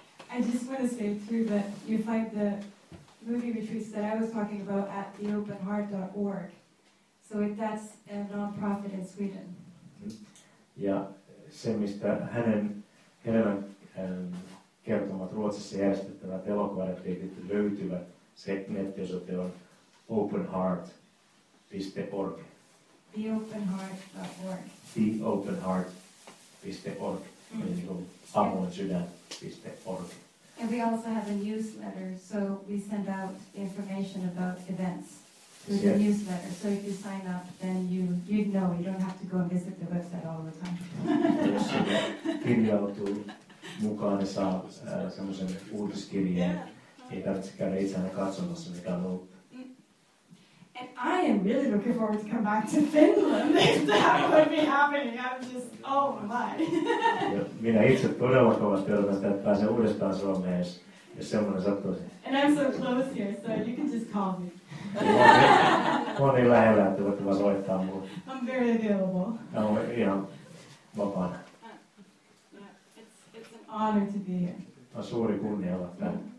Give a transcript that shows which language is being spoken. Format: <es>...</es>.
<en>I just want to say too that you find the movie retreats that I was talking about at theopenheart.org. So that's a non-profit in Sweden.</en> <fi>Ja se, mistä hänen Helenan kertomat Ruotsissa järjestettävät elokuvaretriitit löytyvät, se nettiosoite on openheart.org.</fi> <en>Theopenheart.org.</en> <fi>Theopenheart.org. Avoin sydän.org.</fi> <en>And we also have a newsletter, so we send out information about events through the newsletter. So if you sign up, then you'd know, you don't have to go and visit the website all the time.</en> <fi>Jos kirjautuu mukaan, niin saa semmoisen uutiskirjeen. Ei tarvitse käydä itseään katsomassa, mitä on ollut.</fi> <en>And I am really looking forward to come back to Finland if that would be happening. I'm just, oh my.</en> <fi>Minä itse todella kovasti odotan, että pääsen uudestaan Suomeen, jos semmoinen sattuisi.</fi> <en>And I'm so close here, so you can just call me.</en> <fi>Olen niin lähellä, että voitte vaan soittaa minulle.</fi> <en>I'm very available.</en> <fi>Olen ihan vapaana.</fi> <en>It's an honor to be here.</en> <fi>On suuri kunnia olla täällä.</fi>